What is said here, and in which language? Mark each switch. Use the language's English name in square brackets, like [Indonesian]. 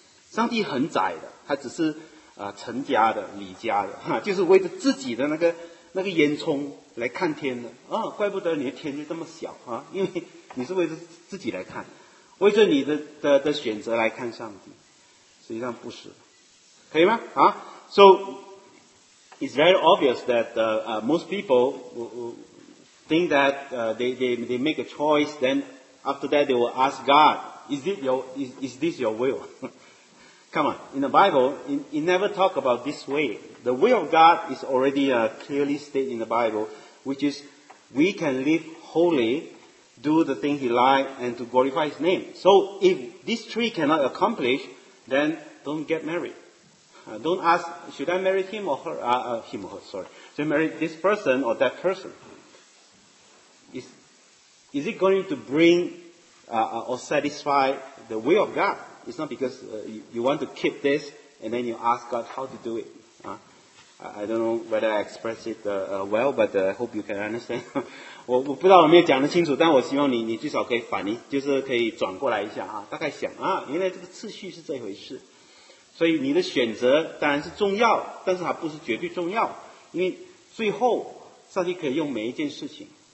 [Chinese] 上帝很窄的，他只是成家的李家的，就是为着自己的那个烟囱来看天的啊、怪不得你的天就这么小啊，因为你是为着自己来看，为着你的选择来看上帝，实际上不是，可以吗？ [English] 啊 ，So it's very obvious that most people think that they make a choice, then after that they will ask God, is this your will? Come on, in the Bible, it never talk about this way. The will of God is already clearly stated in the Bible, which is we can live holy, do the thing He likes, and to glorify His name. So if these three cannot accomplish, then don't get married. Don't ask, should I marry him or her? Should I marry this person or that person? Is it going to bring or satisfy the will of God? It's not because you want to keep this and then you ask God how to do it. I don't know whether I express it well, but I hope you can understand. [Chinese] 我不知道我没有讲得清楚，但我希望你至少可以反应，就是可以转过来一下啊，大概想啊，原来这个次序是这回事。所以你的选择当然是重要，但是它不是绝对重要，因为最后上帝可以用每一件事情。